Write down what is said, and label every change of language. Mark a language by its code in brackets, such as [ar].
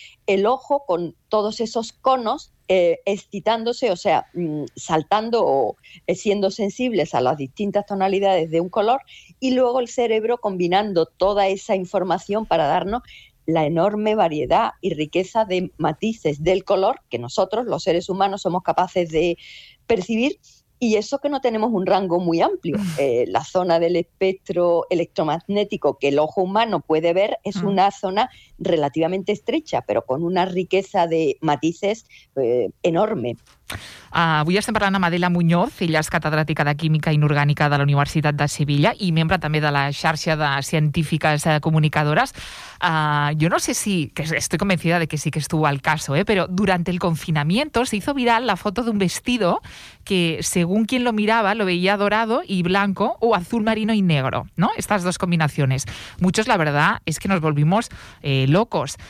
[es] el ojo con todos esos conos excitándose, o sea, saltando o siendo sensibles a las distintas tonalidades de un color, y luego el cerebro combinando toda esa información para darnos la enorme variedad y riqueza de matices del color que nosotros, los seres humanos, somos capaces de percibir. Y eso que no tenemos un rango muy amplio. La zona del espectro electromagnético que el ojo humano puede ver es una zona relativamente estrecha, pero con una riqueza de matices enorme. [ca] Avui estem parlant amb Adela Muñoz, ella és catedràtica de Química Inorgànica de la Universitat de Sevilla i membre també de la xarxa de científiques comunicadores. [es] Yo no sé si, que estoy convencida de que sí que estuvo al caso, pero durante el confinamiento se hizo viral la foto de un vestido que según quien lo miraba lo veía dorado y blanco o azul marino y negro, ¿no? Estas dos combinaciones. Muchos, la verdad, es que nos volvimos locos.